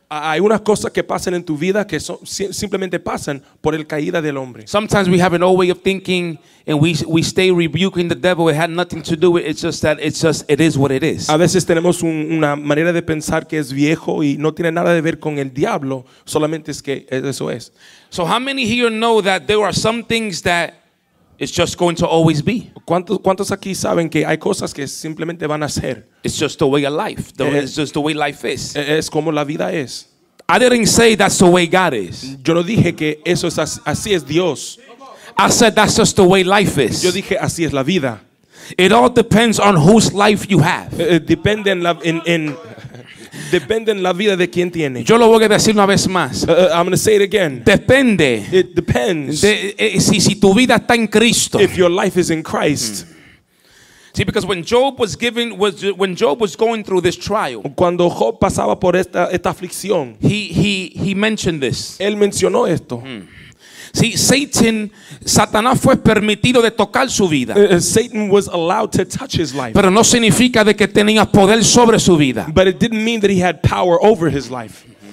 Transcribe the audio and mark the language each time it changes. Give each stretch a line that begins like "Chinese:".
Spanish: Hay unas cosas que pasan en tu vida que son, simplemente pasan por el caída del hombre.
English: Sometimes we have an old way of thinking and we stay rebuking the devil. It had nothing to do with it. It is what it is.
Spanish: A veces tenemos una manera de pensar que es viejo y no tiene nada de ver con el diablo. Solamente es que eso es.
English: So how many here know that there are some things that it's just going to always be?
Spanish: ¿Cuántos aquí saben que hay cosas que simplemente van a ser?
English: It's just the way of life. It's just the way life is.
Spanish: Es como la vida es.
English: I didn't say that's the way God is.
Spanish: Yo no dije que eso es así es Dios.
English: I said that's just the way life is.
Spanish: Yo dije así es la vida.
English: It all depends on whose life you have.
Spanish: Depende en la en depende en la vida de quien tiene. Yo lo voy a decir una vez más.
English: I'm going to say it again.
Spanish: Depende.
English: It depends.
Spanish: Si tu vida está en Cristo.
English: If your life is in Christ. See, because when Job was going through this trial.
Spanish: Cuando Job pasaba por esta aflicción.
English: He mentioned this.
Spanish: Él mencionó esto. See, Satanás fue permitido de tocar su vida.
English: Satan was allowed to touch his life.
Spanish: Pero no significa de que tenía poder sobre su vida.
English: But it didn't mean that he had power over his life.